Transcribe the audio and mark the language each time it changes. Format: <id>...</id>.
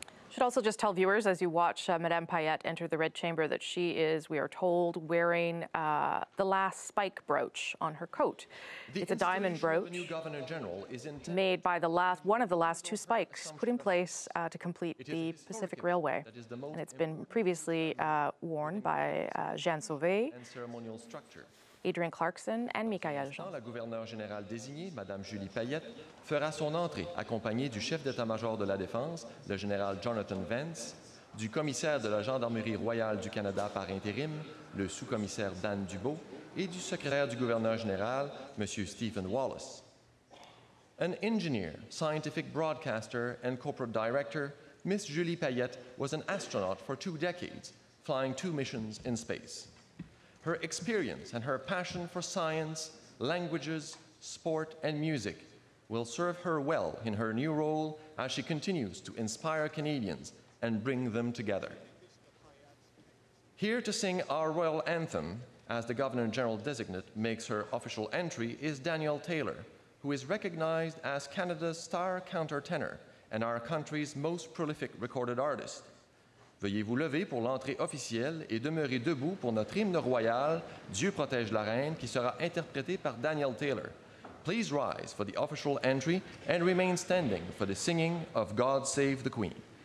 <en>Should also just tell viewers as you watch Madame Payette enter the Red Chamber that she is, we are told, wearing the last spike brooch on her coat. It's a diamond brooch made by one of the last two spikes put in place to complete the Pacific Railway. And it's been previously worn by Jeanne Sauvé. And ceremonial structure. Adrian Clarkson and Michael Jean.</en> <fr>La gouverneure générale désignée, Madame Julie Payette, fera son entrée accompagnée du chef d'état-major de la Défense, le général Jonathan Vance, du commissaire de la Gendarmerie royale du Canada par intérim, le sous-commissaire Dan Dubois, et du secrétaire du gouverneur général, Monsieur Stephen Wallace.</fr> <en>An engineer, scientific broadcaster, and corporate director, Miss Julie Payette was an astronaut for two decades, flying two missions in space. Her experience and her passion for science, languages, sport, and music will serve her well in her new role as she continues to inspire Canadians and bring them together. Here to sing our royal anthem as the Governor General Designate makes her official entry is Daniel Taylor, who is recognized as Canada's star countertenor and our country's most prolific recorded artist.</en> <fr>Veuillez vous lever pour l'entrée officielle et demeurer debout pour notre hymne royal, Dieu protège la reine, qui sera interprété par Daniel Taylor.</fr> <en>Please rise for the official entry and remain standing for the singing of God Save the Queen.</en>